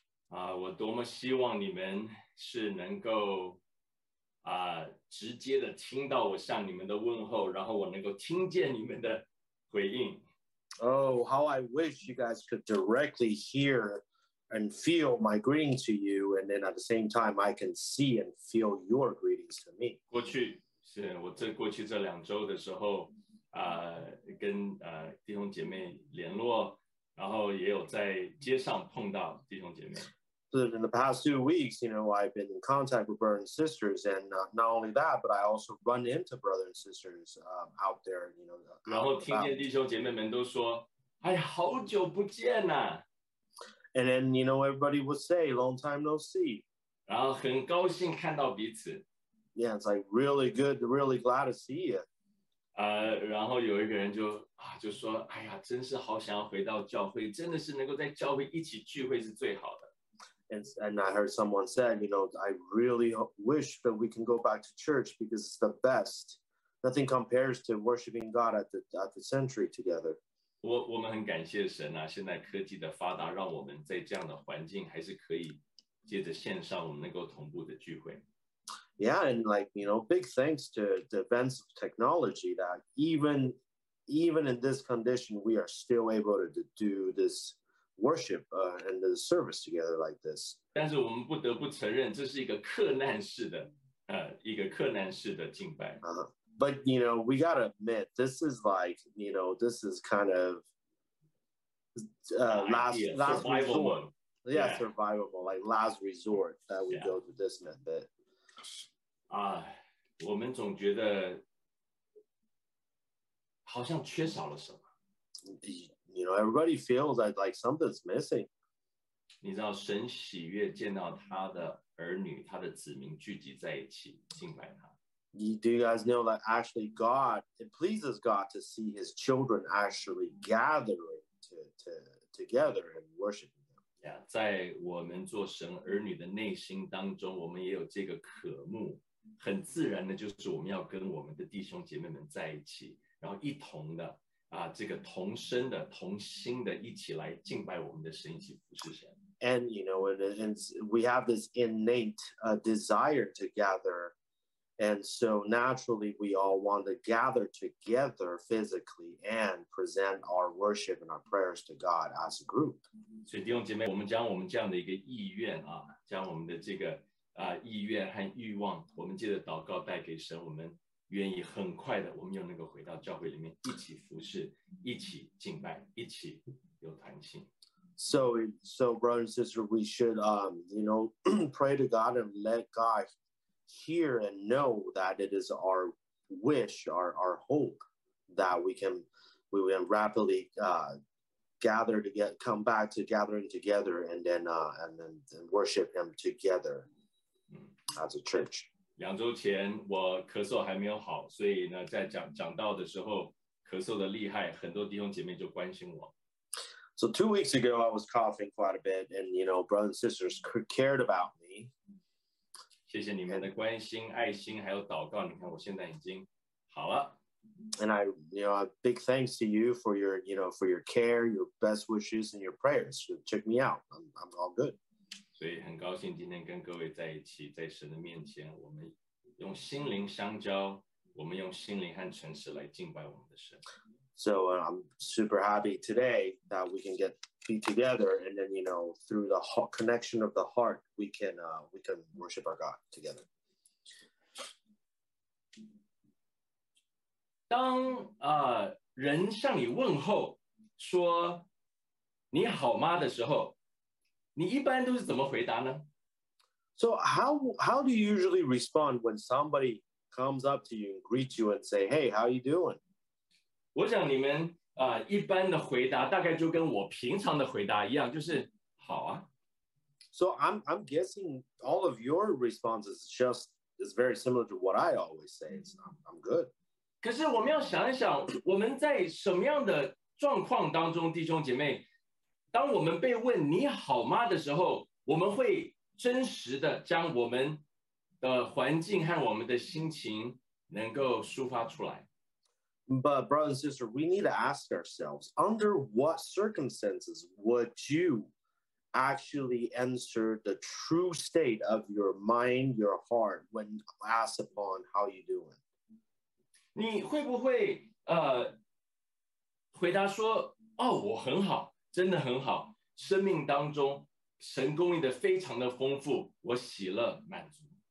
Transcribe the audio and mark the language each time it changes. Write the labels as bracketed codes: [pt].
[zh] 我多么希望你们是能够直接的听到我向你们的问候，然后我能够听见你们的回应。 [en] Oh, how I wish you guys could directly hear and feel my greeting to you, and then at the same time, I can see and feel your greetings to me. [zh] 过去是我这过去这两周的时候，跟弟兄姐妹联络，然后也有在街上碰到弟兄姐妹。 [en] So in the past 2 weeks, you know, I've been in contact with brothers and sisters, and not only that, but I also run into brothers and sisters out there, you know. [zh] 然后听见弟兄姐妹们都说，哎，好久不见呐。 [en] And then, you know, everybody would say, long time no see. [zh] 然后很高兴看到彼此。 [en] Yeah, it's like really good, really glad to see you. [zh] 然后有一个人就说，哎呀，真是好想要回到教会，真的是能够在教会一起聚会是最好的。 [en] And I heard someone said, you know, I really wish that we can go back to church because it's the best. Nothing compares to worshiping God at the sanctuary together. [zh] 我们很感谢神啊，现在科技的发达，让我们在这样的环境还是可以借着线上，我们能够同步的聚会。 [en] Yeah, and like, you know, big thanks to the advanced technology that even in this condition, we are still able to do this worship and the service together like this. [zh] 但是我们不得不承认，这是一个克难式的，一个克难式的敬拜。 [en] But you know, we gotta admit, this is like, you know, this is kind of last survival resort. Yeah, survival, like last resort that we go to this method. [zh] 我们总觉得好像缺少了什么。 [en] You know, everybody feels that like something's missing. [zh] 你知道神喜悦见到他的儿女，他的子民聚集在一起敬拜他。 [en] Do you guys know that actually God, it pleases God to see his children actually gathering together and worshiping him? [zh] Yeah, 在我们做神儿女的内心当中，我们也有这个渴慕，很自然的就是我们要跟我们的弟兄姐妹们在一起，然后一同的。这个同声的同心的一起来敬拜我们的神，一起服侍神。 [en] And you know, we have this innate desire to gather, and so naturally we all want to gather together physically and present our worship and our prayers to God as a group. [zh] 所以弟兄姐妹，我们将我们这样的一个意愿啊，将我们的这个意愿和欲望，我们借着祷告带给神，我们。愿意很快的，我们又能够回到教会里面，一起服侍，一起敬拜，一起有团契。 [en] So, brother and sister, we should, you know, pray to God and let God hear and know that it is our wish, our hope that we can rapidly gather to get come back to gathering together and then worship Him together as a church. [zh] 两周前我咳嗽还没有好，所以呢，在讲到的时候，咳嗽的厉害，很多弟兄姐妹就关心我。 [en] So 2 weeks ago, I was coughing quite a bit, and you know, brothers and sisters cared about me. [zh] 谢谢你们的关心、爱心还有祷告。你看，我现在已经好了。 [en] And I, you know, a big thanks to you for your, you know, for your care, your best wishes, and your prayers. So check me out. I'm all good. [zh] 所以很高兴今天跟各位在一起，在神的面前，我们用心灵相交，我们用心灵和诚实来敬拜我们的神。 [en] So I'm super happy today that we can be together, and then you know through the connection of the heart, we can worship our God together. [zh] 当人向你问候说你好吗的时候。你一般都是怎么回答呢？ [en] So how do you usually respond when somebody comes up to you and greets you and say, "Hey, how are you doing?" [zh] 我想你们一般的回答大概就跟我平常的回答一样，就是好啊。 [en] So I'm guessing all of your responses is very similar to what I always say. I'm good. [zh] 可是我们要想一想，我们在什么样的状况当中，弟兄姐妹？当我们被问你好吗的时候，我们会真实的将我们的环境和我们的心情能够抒发出来。 [en] But brother and sister, we need to ask ourselves, under what circumstances would you actually answer the true state of your mind, your heart, when asked upon how you doing? [zh] 你会不会回答说，哦，我很好，真的很好，生命当中神供应的非常的丰富，我喜乐满足。